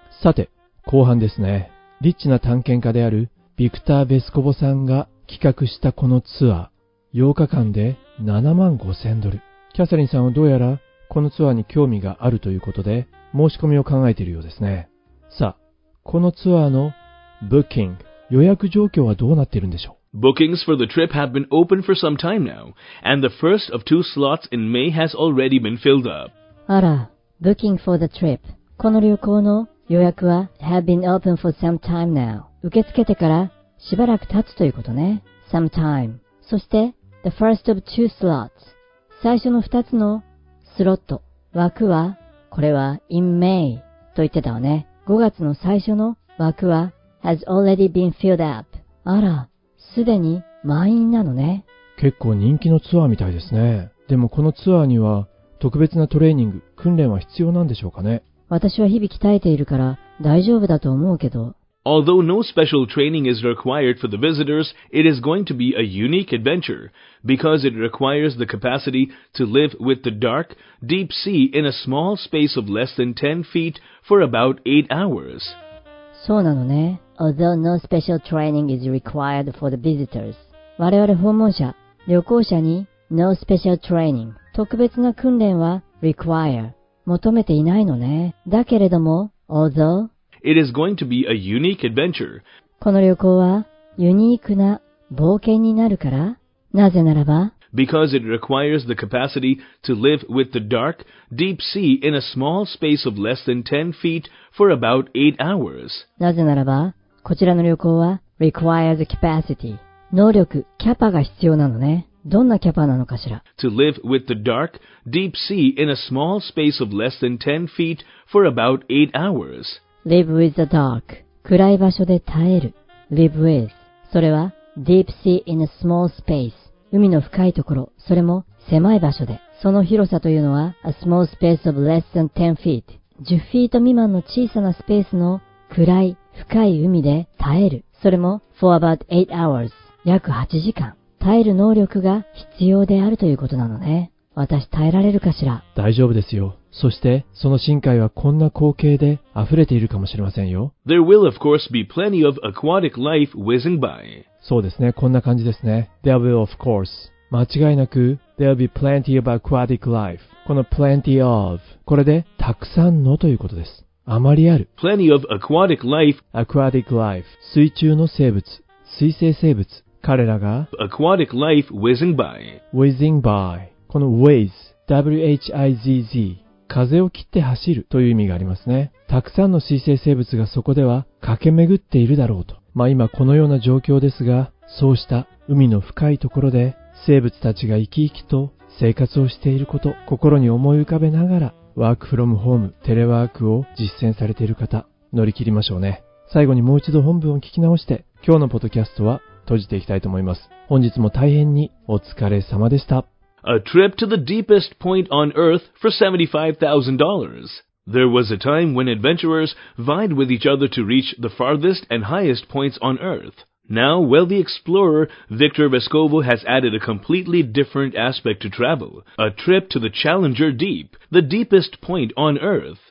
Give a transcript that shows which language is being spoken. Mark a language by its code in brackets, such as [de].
[ja] さて、後半ですね。リッチな探検家である、ビクター・ベスコボさんが企画したこのツアー、8日間で7万5千ドル。キャサリンさんはどうやら、このツアーに興味があるということで、申し込みを考えているようですね。さあ、このツアーの、ブッキング、予約状況はどうなっているんでしょう。 [en] Bookings for the trip have been open for some time now, and the first of two slots in May has already been filled up. [ja] あら、 [en] Booking for the trip. [ja] この旅行の予約は [en] have been open for some time now. [ja] 受け付けてからしばらく経つということね。 [en] Some time. [ja] そして [en] the first of two slots. [ja] 最初の二つのスロット、枠は、これは [en] in May [ja] と言ってたわね。 5月の最初の枠は [en] has already been filled up. [ja] あら、すでに満員なのね。結構人気のツアーみたいですね。でもこのツアーには特別なトレーニング、訓練は必要なんでしょうかね。私は日々鍛えているから大丈夫だと思うけど。 [en] Although no special training is required for the visitors, it is going to be a unique adventure because it requires the capacity to live with the dark, deep sea in a small space of less than 10 feet for about 8 hours. [ja] そうなのね。 [en] Although no special training is required for the visitors. [ja] 我々訪問者、旅行者に [en] No special training. [ja] 特別な訓練は require. 求めていないのね。だけれども Although [en] It is going to be a unique adventure. [ja] この旅行はユニークな冒険になるから。なぜならば [en] Because it requires the capacity to live with the dark, deep sea in a small space of less than 10 feet for about 8 hours. [ja] なぜならばこちらの旅行は [en] requires capacity [ja] 能力、キャパが必要なのね。どんなキャパなのかしら。 [en] To live with the dark, deep sea in a small space of less than 10 feet for about 8 hours. Live with the dark [ja] 暗い場所で耐える。Live with それは [en] deep sea in a small space [ja] 海の深いところ、それも狭い場所で。その広さというのは [en] a small space of less than 10 feet [ja] 10フィート未満の小さなスペースの暗い深い海で耐える。それも [en] for about 8 hours [ja] 約8時間耐える能力が必要であるということなのね。私耐えられるかしら。大丈夫ですよ。そしてその深海はこんな光景で溢れているかもしれませんよ。 [en] There will of course be plenty of aquatic life whizzing by. [ja] そうですね、こんな感じですね。 [en] There will of course [ja] 間違いなく [en] There will be plenty of aquatic life. [ja] この [en] plenty of [ja] これでたくさんのということです。あまりある。 [en] Plenty of aquatic life. Aquatic life. [ja] 水中の生物。水生生物。彼らが。 [en] Aquatic life whizzing by. Whizzing by. [ja] この [en] whiz. W-H-I-Z-Z. [ja] 風を切って走るという意味がありますね。たくさんの水生生物がそこでは駆け巡っているだろうと。まあ今このような状況ですが、そうした海の深いところで生物たちが生き生きと生活をしていること、心に思い浮かべながら、ワークフロムホーム、テレワークを実践されている方、乗り切りましょうね。最後にもう一度本文を聞き直して、今日のポッドキャストは閉じていきたいと思います。本日も大変にお疲れ様でした。 [en] A trip to the deepest point on Earth for $75,000. There was a time when adventurers vied with each other to reach the farthest and highest points on Earth. Now wealthy explorer Victor Vescovo has added a completely different aspect to travel, a trip to the Challenger Deep, the deepest point on Earth.